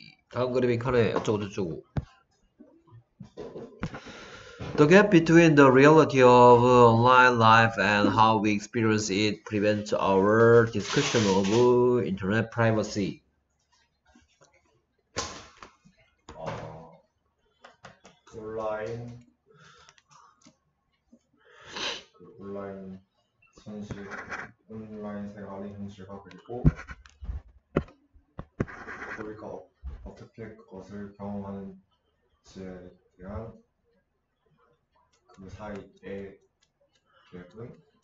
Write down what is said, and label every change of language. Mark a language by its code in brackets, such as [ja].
[ko] 다음 그림이 칼에 어쩌고저쩌고. [en] The gap between the reality of online life and how we experience it prevents our discussion of internet privacy. [ko] 온라인 현실, 온라인 생활의 현실과 그리고 우리가 어떻게 그것을 경험하는지에 대한 그 사이의 갭은